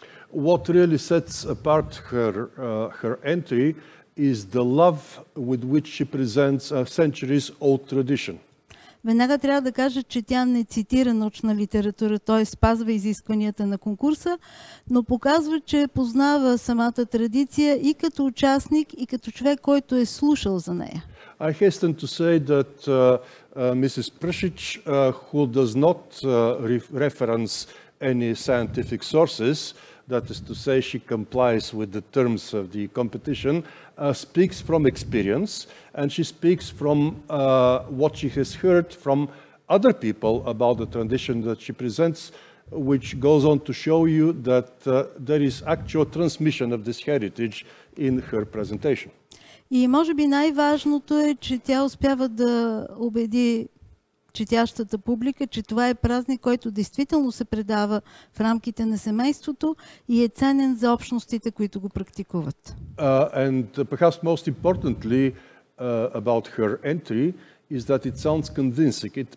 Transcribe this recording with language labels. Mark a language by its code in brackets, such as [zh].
[en] What really sets apart her entry is the love with which she presents a centuries old tradition. [bg] Веднага трябва да кажа, че тя не цитира научна литература, т.е. спазва изискванията на конкурса, но показва, че познава самата традиция и като участник, и като човек, който е слушал за нея. [en] I hasten to say that Mrs. Prusic, who does not reference any scientific sources, that is to say she complies with the terms of the competition, speaks from experience, and she speaks from what she has heard from other people about the tradition that she presents, which goes on to show you that there is actual transmission of this heritage in her presentation. [bg] И може би най-важното е, че тя успява да убеди четящата публика, че това е празник, който действително се предава в рамките на семейството и е ценен за общностите, които го практикуват. [en] And perhaps most importantly about her entry is that it sounds convincing.